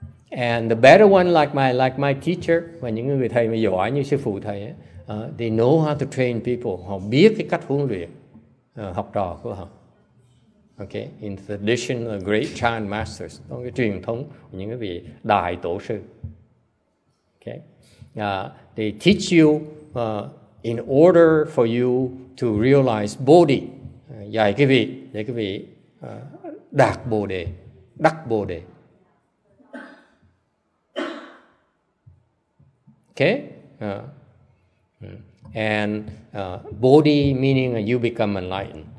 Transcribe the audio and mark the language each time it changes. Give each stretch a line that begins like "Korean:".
English: And the better one like my teacher,
Vietnamese: và những người thầy mà giỏi như sư phụ thầy ấy,
English: they know how to train people.
Vietnamese: Họ biết cái cách huấn luyện học trò của họ.
English: Okay, in the tradition of great Chan masters,
Vietnamese: có cái truyền thống của những cái vị đại tổ sư.
English: Okay, they teach you in order for you to realize Bodhi.
Vietnamese: Dạy cái vị để cái vị đạt Bồ đề, đắc Bồ đề.
English: Okay, and Bodhi meaning you become enlightened.